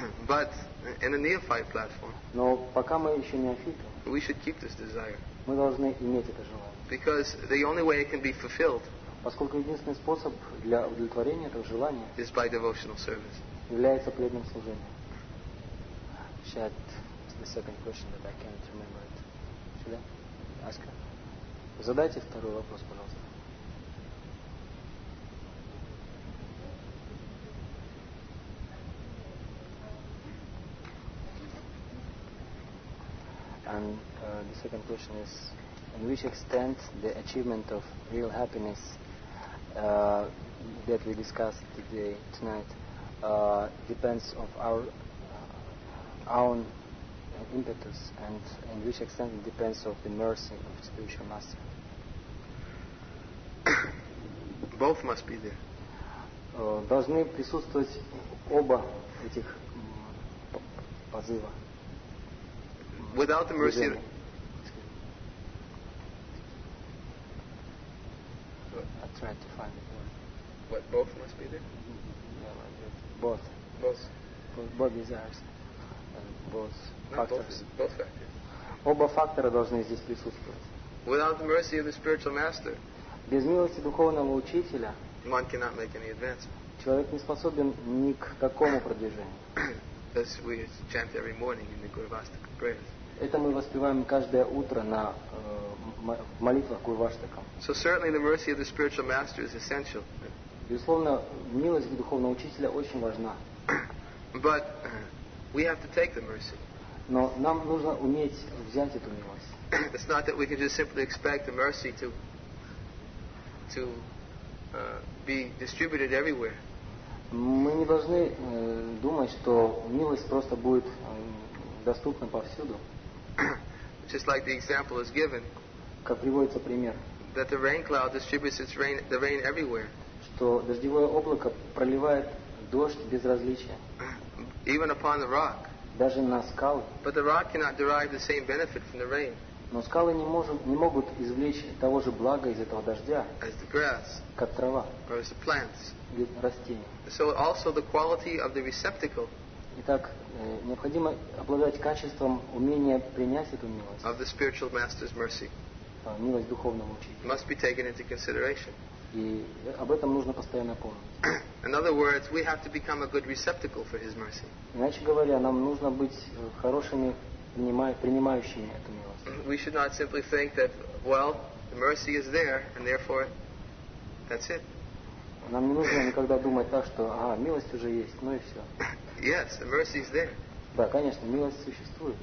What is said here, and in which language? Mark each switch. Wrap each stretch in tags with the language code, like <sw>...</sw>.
<en>But in a neophyte platform,</en> <ru>но пока мы еще неофиты,</ru> <en>we should keep this desire.</en> <ru>Мы должны иметь это желание.</ru> <en>Because the only way it can be fulfilled,</en> <ru>поскольку единственный способ для удовлетворения этого желания,</ru> <en>is by devotional service.</en> <ru>Является преданным служением.</ru> <en>Shat, the second question that I can't remember it. Should I ask her?</en> <ru>Задайте второй вопрос, пожалуйста.</ru> <en>And the second question is, in which extent the achievement of real happiness that we discussed today, tonight, depends on our own impetus, and in which extent it depends on the mercy of the spiritual master? Both must be there.</en> <ru>Должны присутствовать оба этих позыва.</ru> <en>Without the mercy of... I tried to find the word. What, both must be there? Yeah, like that. Both. Both. Both desires. And both factors. Both factors.</en> <ru>Оба фактора должны здесь присутствовать.</ru> <en>Without the mercy of the spiritual master,</en> <ru>без милости духовного учителя,</ru> <en>one cannot make any advance.</en> <ru>Человек не способен ни к какому продвижению.</ru> <en>This we chant every morning in the Gurvastaka prayers.</en> <ru>Это мы воспеваем каждое утро на молитвах Гурваштакам.</ru> <en>So certainly the mercy of the spiritual master is essential.</en> <ru>Безусловно, милость духовного учителя очень важна.</ru> <en>But we have to take the mercy.</en> <ru>Но нам нужно уметь взять эту милость.</ru> <en>It's not that we can just simply expect the mercy to be distributed everywhere.</en> <ru>Мы не должны думать, что милость просто будет доступна повсюду.</ru> <en>Just like the example is given,</en> <ru>как приводится пример,</ru> <en>that the rain cloud distributes its rain, the rain everywhere.</en> <ru>Что дождевое облако проливает дождь без различия.</ru> <en>Even upon the rock.</en> <ru>Даже на скалы.</ru> <en>But the rock cannot derive the same benefit from the rain.</en> <ru>Но скалы не могут извлечь того же блага из этого дождя,</ru> <en>as the grass,</en> <ru>как трава,</ru> <en>or as the plants,</en> <ru>растения.</ru> <en>So also the quality of the receptacle.</en> <ru>Итак, необходимо обладать качеством умения принять эту милость.</ru> <en>Of the spiritual master's mercy.</en> <ru>милость духовного учителя.</ru> <en>Must be taken into consideration.</en> <ru>И об этом нужно постоянно помнить.</ru> <en>In other words, we have to become a good receptacle for His mercy.</en> <ru>Иначе говоря, нам нужно быть хорошими принимающими эту милость.</ru> <en>We should not simply think that, well, the mercy is there, and therefore, that's it.</en> <ru>Нам не нужно никогда думать так, что, ага, милость уже есть, ну и все.</ru> <en>Yes, the mercy is there.</en> <ru>Да, конечно, милость существует.</ru>